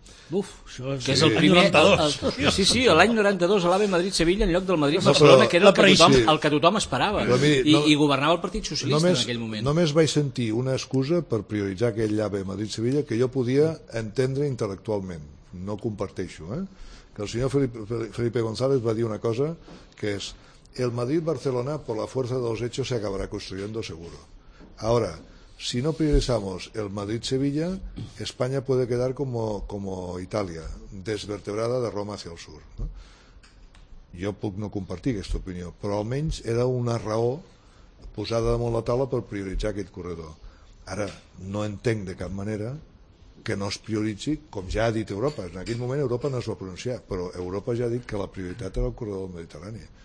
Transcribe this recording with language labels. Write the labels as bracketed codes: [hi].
[ca] Buf, això és... Que és el primer... L'any 92. L'any 92, l'AVE Madrid-Sevilla en lloc del Madrid-Barcelona, que era el que tothom, el que tothom esperava. I governava el Partit Socialista només, en aquell moment. Només vaig sentir una excusa per prioritzar aquell AVE Madrid-Sevilla que jo podia entendre intel·lectualment. No comparteixo, Que el senyor Felipe González va dir una cosa, que és: el Madrid-Barcelona, por la fuerza de los hechos, se acabará construyendo seguro. [es] Ahora, si no priorizamos el Madrid-Sevilla, España puede quedar como Italia, desvertebrada de Roma hacia el sur. ¿No? [ca] Jo puc no compartir aquesta opinió, però almenys era una raó posada damunt la taula per prioritzar aquest corredor. Ara, no entenc de cap manera que no es prioritzi, com ja ha dit Europa. En aquell moment Europa no es va pronunciar, però Europa ja ha dit que la prioritat era el corredor del Mediterrani.